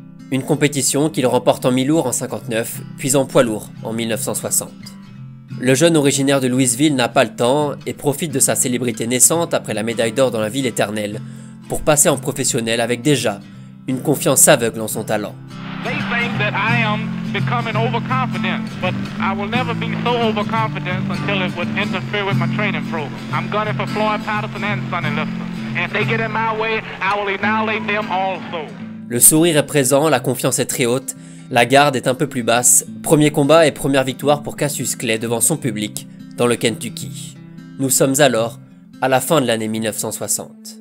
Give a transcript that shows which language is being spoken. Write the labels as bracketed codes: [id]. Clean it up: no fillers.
[fr] Une compétition qu'il remporte en mi-lourds en 59, puis en poids lourd en 1960. Le jeune originaire de Louisville n'a pas le temps et profite de sa célébrité naissante après la médaille d'or dans la ville éternelle pour passer en professionnel avec déjà une confiance aveugle en son talent. [en] They think that I am becoming overconfident, but I will never be so overconfident until it would interfere with my training program. I'm gunning for Floyd Patterson and Sonny Liston. If they get in my way, I will annihilate them also. [fr] Le sourire est présent, la confiance est très haute. La garde est un peu plus basse, premier combat et première victoire pour Cassius Clay devant son public dans le Kentucky. Nous sommes alors à la fin de l'année 1960.